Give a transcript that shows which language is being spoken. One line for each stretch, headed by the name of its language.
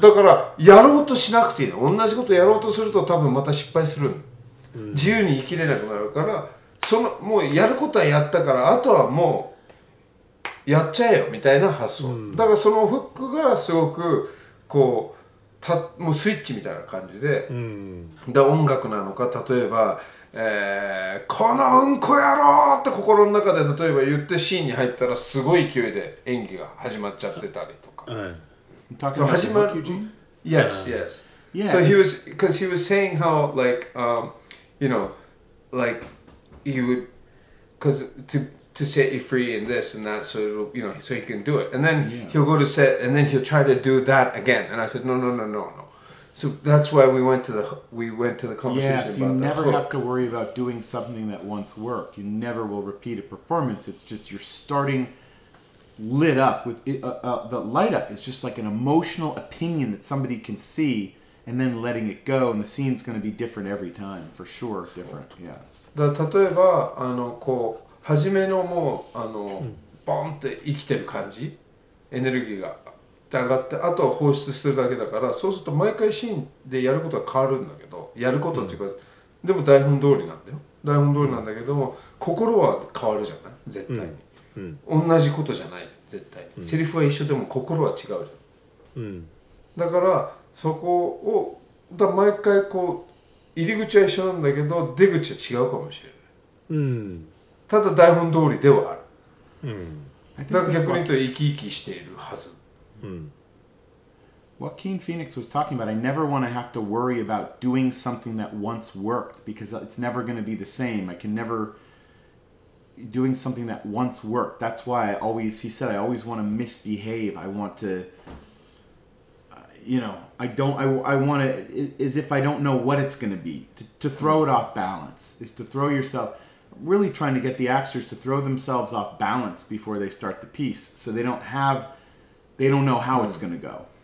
Japanese: だからやろうとしなくていいの。同じことやろうとすると多分また失敗するの、うん、自由に生きれなくなるから、そのもうやることはやったから、あとはもうやっちゃえよみたいな発想、うん、だからそのフックがすごくこう、たもうスイッチみたいな感じで、うん、だ音楽なのか、例えば、このうんこ野郎って心の中で例えば言ってシーンに入ったらすごい勢いで演技が始まっちゃってたりとか、うん、そう始まる、うん、
English: Yes, yes. Yeah. So he was, because he was saying how like, you know, likehe would, because to set you free in this and that, so it'll, you know, so he can do it. And then he'll go to set, and then he'll try to do that again. And I said, no. So that's why we went to the conversation about that. Yes, you never have to worry about doing something that once worked. You never will repeat a performance. It's just you're starting lit up with it, the light up is just like an emotional opinion that somebody can see, and then letting it go. And the scene's going to be different every time, for sure, different, yeah.
Japanese: だ例えばこう初めのもうボンって生きてる感じ、エネルギーが上がって、あとは放出するだけだから、そうすると毎回シーンでやることは変わるんだけど、やることっていうか、うん、でも台本通りなんだよ、台本通りなんだけども、うん、心は変わるじゃない絶対に、うん、同じことじゃない絶対に、うん、セリフは一緒でも心は違うじゃん、うん、だからそこをだ毎回こう入り口は一緒なんだけど出口は違うかもしれない、うん、ただ台本通りではある、うん、だから逆に言うと生き生きしているはず、うん、
English: Joaquin Phoenix was talking about, I never want to have to worry about doing something that once worked because it's never going to be the same. I can never doing something that once worked. That's why I always, he said, I always want to misbehave. I want to, you know,I want to, as if I don't know what it's going to be, to throw it off balance, is to throw yourself, really trying to get the actors to throw themselves off balance before they start the piece, so they don't have, they don't know how it's going to go.